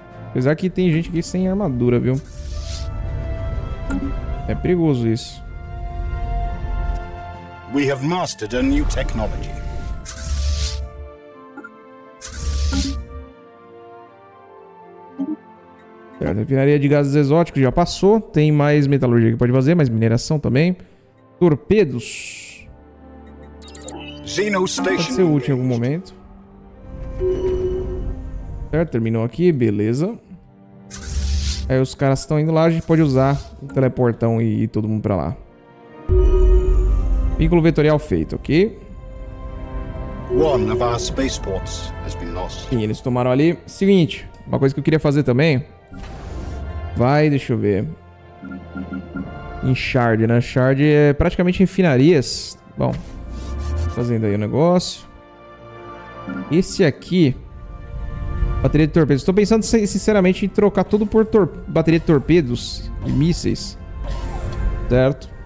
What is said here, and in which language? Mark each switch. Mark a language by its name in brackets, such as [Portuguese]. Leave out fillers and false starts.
[Portuguese] Apesar que tem gente aqui sem armadura, viu? É perigoso isso. [English] We have mastered a new technology. [Portuguese] Refinaria de gases exóticos já passou. Tem mais metalurgia que pode fazer, mais mineração também. Torpedos. Xeno Station. Pode ser útil em algum momento. Certo, terminou aqui, beleza. Aí os caras estão indo lá, a gente pode usar o teleportão e ir todo mundo pra lá. Vínculo vetorial feito, ok. [English] One of our spaceports has been lost. [Portuguese] Sim, eles tomaram ali. Seguinte, uma coisa que eu queria fazer também. Vai, deixa eu ver. Em Shard, né? Shard é praticamente refinarias. Bom, fazendo aí o negócio. Esse aqui, bateria de torpedos. Tô pensando, sinceramente, em trocar tudo por bateria de torpedos e mísseis. Certo?